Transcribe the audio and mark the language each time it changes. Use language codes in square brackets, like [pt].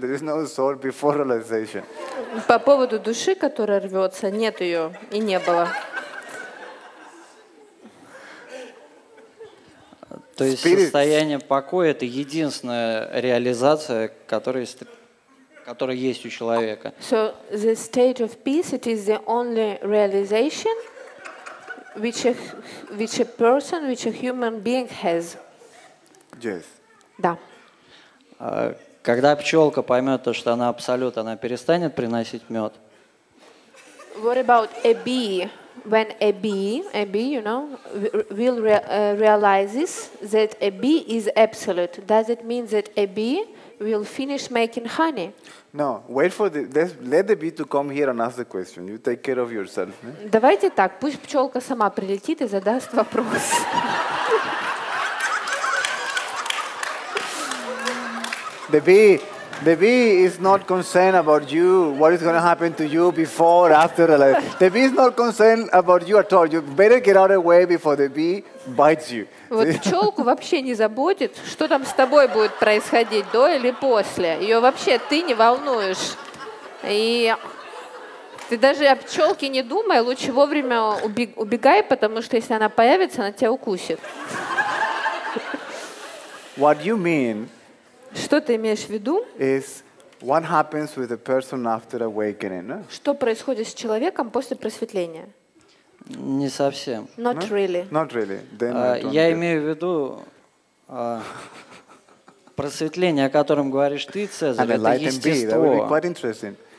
[en] There is no soul before realization. [ru] По поводу души, которая рвется, нет ее и не было. То есть состояние покоя — это единственная реализация, которая есть у человека. [en] So the state of peace, it is the only realization which a person, which a human being has. Yes. [ru] Да. Когда пчелка поймет то, что она абсолют, она перестанет приносить мед. [en] What about a bee? When a bee, you know, will realizes that a bee is absolute, does it mean that a bee will finish making honey? No. Wait for let the bee to come here and ask the question. You take care of yourself. [ru] Давайте так, пусть пчелка сама прилетит и задаст вопрос. [en] The bee is not concerned about you, what is going to happen to you before, after. The bee is not concerned about you at all. You better get out of the way before the bee bites you. [ru] Вот пчелку вообще не заботит, что там с тобой будет происходить, до или после. Ее вообще ты не волнуешь. И ты даже о пчелке не думай, лучше вовремя убегай, потому что если она появится, она тебя укусит. [en] What do you mean? [ru] Что ты имеешь в виду? [en] Is what happens with a person after awakening? [ru] Что происходит с человеком после просветления? Не совсем. [en] Not really. Not really. Then [ru] я имею в виду просветление, о котором говоришь ты, Цезарь, это естество. [en] Quite interesting.